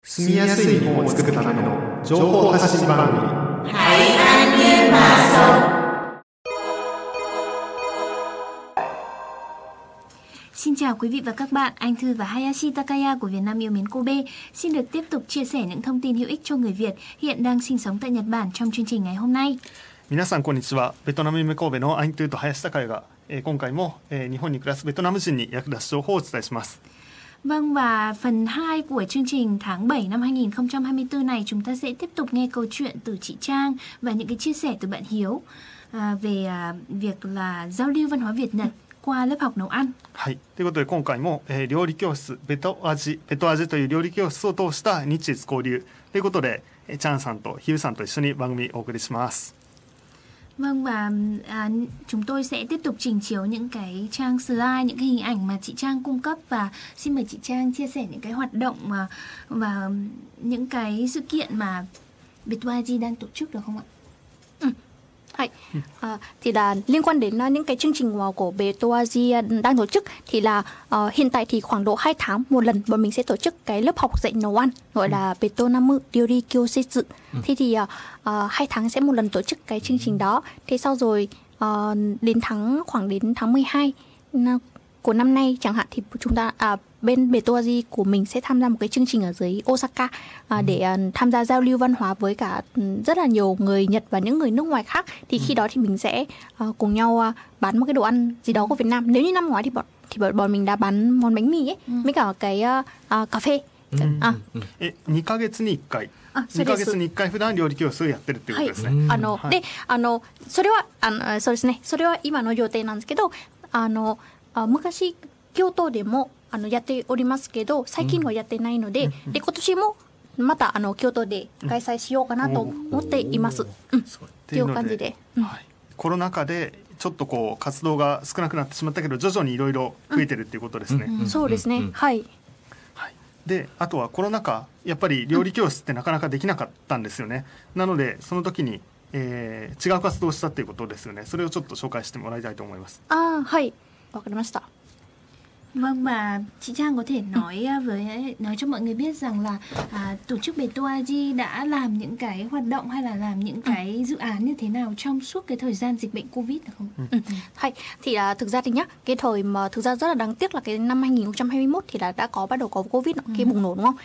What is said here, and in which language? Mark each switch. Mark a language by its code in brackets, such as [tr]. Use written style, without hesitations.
[ja] 住みやすい日本を作るための情報発信番組ハリカニューマーソン。 [vi] Xin chào quý vị và các bạn, anh Thư và Hayashi Takaya của Việt Nam yêu mến Kobe xin được tiếp tục chia sẻ những thông tin hữu ích cho người Việt hiện đang sinh sống tại Nhật Bản trong chương trình ngày hôm nay. [ja] 皆さんこんにちは。ベトナム夢神戸のアイントゥーと林高也が、今回も、日本に暮らすベトナム人に役立つ情報をお伝えします。 [vi] Vâng, và phần 2 của chương trình tháng 7 năm 2024 này chúng ta sẽ tiếp tục nghe câu chuyện từ chị Trang và những cái chia sẻ từ bạn Hiếu về việc là giao lưu văn hóa Việt Nhật qua lớp học nấu ăn. [ja] はい、ということで今回も、料理教室ベト味、ベト味という料理教室を通した日越交流ということで、チャンさんとヒューさんと一緒に番組をお送りします。 [vi] Vâng, và chúng tôi sẽ tiếp tục trình chiếu những cái trang slide, những cái hình ảnh mà chị Trang cung cấp và xin mời chị Trang chia sẻ những cái hoạt động và những cái sự kiện mà Bitwaji đang tổ chức được không ạ? Thì là liên quan đến những cái chương trình của Bitwaji đang tổ chức thì là hiện tại thì khoảng độ 2 tháng một lần bọn mình sẽ tổ chức cái lớp học dạy nấu ăn gọi là Betonamu Ryori Kyoshitsu. Thế thì 2 tháng sẽ một lần tổ chức cái chương trình đó. Thế sau rồi đến khoảng đến tháng 12 của năm nay chẳng hạn thì chúng ta bên Bitwaji của mình sẽ tham gia một cái chương trình ở dưới Osaka để tham gia giao lưu văn hóa với cả rất là nhiều người Nhật và những người nước ngoài khác. Thì khi đó thì mình sẽ cùng nhau bán một cái đồ ăn gì đó của Việt Nam. Nếu như năm ngoái thì bọn mình đã bán món bánh mì ấy, với cả cái cà phê. [ja] 2ヶ月に1回2ヶ月に1回普段料理教室をやってるっていうことですね。はい、で、それはそうですね。それは今の予定なんですけど、昔京都でもやっておりますけど最近はやってないので、で今年もまた京都で開催しようかなと思っています。っていう感じで、コロナ禍でちょっとこう活動が少なくなってしまったけど徐々にいろいろ増えてるっていうことですね。そうですね。はい、で、あとはコロナ禍やっぱり料理教室ってなかなかできなかったんですよね。なのでその時に、違う活動をしたっていうことですよね。それをちょっと紹介してもらいたいと思います。ああ、はい、わかりました。 [vi] Vâng, và chị Trang có thể nói cho mọi người biết rằng là tổ chức Bitwaji đã làm những cái hoạt động hay là làm những cái dự án như thế nào trong suốt cái thời gian dịch bệnh Covid được không? Thì thực ra thì nhá, cái thời mà thực ra rất là đáng tiếc là cái năm 2021 thì là đã có bắt đầu có Covid nó kia bùng nổ đúng không?